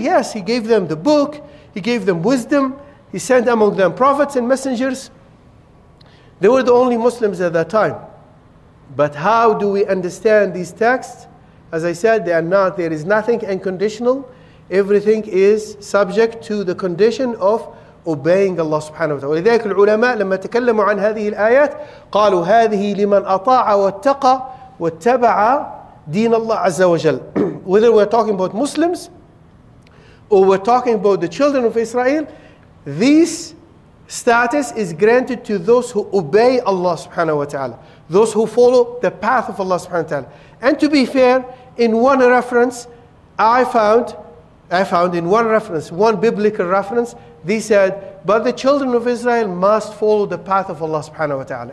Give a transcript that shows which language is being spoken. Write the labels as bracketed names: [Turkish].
[English] Yes, He gave them the book, He gave them wisdom, He sent among them prophets and messengers. They were the only Muslims at that time. But how do we understand these texts? As I said, they are not. There is nothing unconditional. Everything is subject to the condition of obeying Allah subhanahu wa ta'ala. [Arabic] ولذلك العلماء لما تكلموا عن هذه الآيات قالوا هذه لمن أطاع واتقى واتبع دين الله عز وجل. [English] Whether we're talking about Muslims or we're talking about the children of Israel, this status is granted to those who obey Allah subhanahu wa ta'ala, those who follow the path of Allah subhanahu wa ta'ala. And to be fair, in one reference, I found in one reference, one biblical reference, they said, but the children of Israel must follow the path of Allah subhanahu wa ta'ala.